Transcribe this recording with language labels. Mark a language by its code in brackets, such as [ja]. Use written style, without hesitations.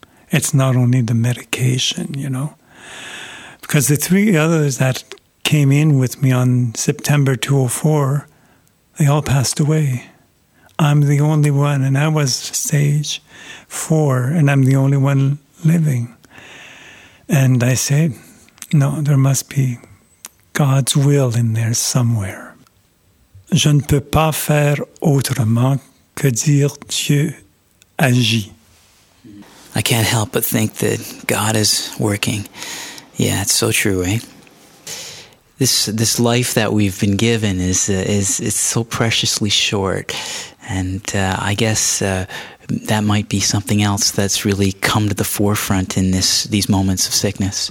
[en] It's not only the medication, you know. Because the three others that came in with me on September 2004, they all passed away. I'm the only one, and I was stage four, and I'm the only one living. And I said, no, there must be God's will in there somewhere. [fr] Je ne peux pas faire autrement que dire Dieu agit. [en] I can't help but think that God is working. Yeah, it's so true, eh? This life that we've been given is so preciously short, and I guess that might be something else that's really come to the forefront in these moments of sickness.